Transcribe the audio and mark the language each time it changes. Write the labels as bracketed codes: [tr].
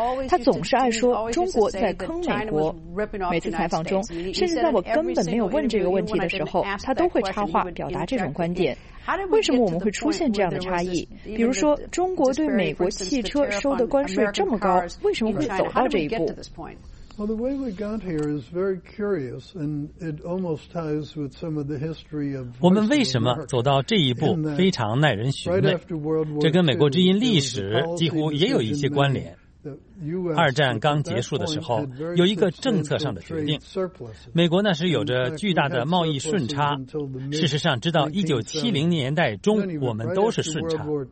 [zh] 他总是爱说中国在坑美国，每次采访中，甚至在我根本没有问这个问题的时候，他都会插话表达这种观点。为什么我们会出现这样的差异？比如说，中国对美国汽车收的关税这么高，为什么会走到这一步？ [en] Well, the way we got here is very curious, and it almost ties with some of the history of. [zh] 我们为什么走到这一步非常耐人寻味，这跟美国之音历史几乎也有一些关联。二战刚结束的时候，有一个政策上的决定，美国那时有着巨大的贸易顺差，事实上直到1970年代中我们都是顺差。